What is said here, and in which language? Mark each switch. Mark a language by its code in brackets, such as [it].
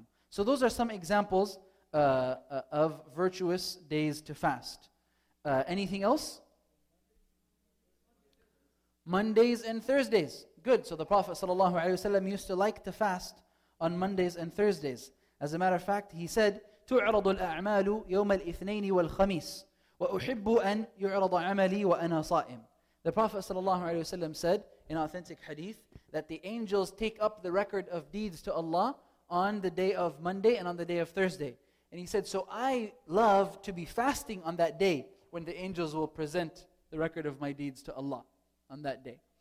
[en] So those are some examples of virtuous days to fast. Anything else? Mondays and Thursdays. Good. So the Prophet ﷺ used to like to fast on Mondays and Thursdays. [ar] As a matter of fact, he said, تُعْرَضُ الْأَعْمَالُ يَوْمَ الْإِثْنَيْنِ وَالْخَمِيسِ وَأُحِبُّ أَنْ يُعْرَضَ عَمَلِي وَأَنَا صَائِمٌ. [en] The Prophet ﷺ said in authentic hadith that the angels take up the record of deeds to Allah on the day of Monday and on the day of Thursday. And he said, so I love to be fasting on that day when the angels will present the record of my deeds to Allah on that day.